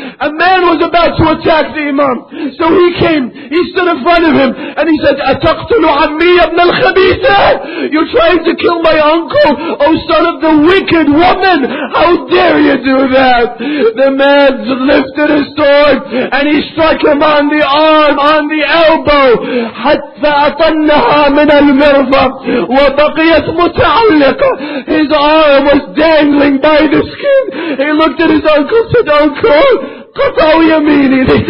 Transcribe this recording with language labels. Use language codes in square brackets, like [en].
[en] A man was about to attack the Imam. So he came, he stood in front of him, and he said, [ar] "Ataqtulu ammi ibn al-khabitha? [en] You're trying to kill my uncle, O son of the wicked woman. How dare you do that?" The man lifted his sword, and he struck him on the arm. arm on the elbow. [ar] حتى أطنها من المرفة وبقيت متعلقة. [en] His arm was dangling by the skin. He looked at his uncle and said, Uncle, [ar] قطعوا يميني.